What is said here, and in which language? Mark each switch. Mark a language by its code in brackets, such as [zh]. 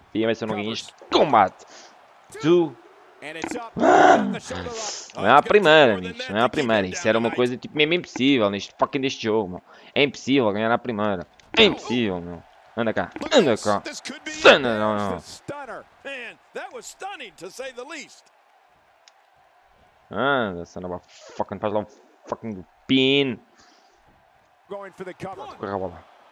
[pt] E a ver se eu não ganho este combate. Tu. Não é a primeira, amigos. Não é a primeira. Isso era uma coisa tipo mesmo impossível neste fucking deste jogo, meu. É impossível ganhar a primeira. É impossível, meu. Anda cá. Stunner. [en] Man, that was stunning to say the least. [pt] Anda, [en] son of a fucking, [pt] faz lá um fucking pin. Corre a bola.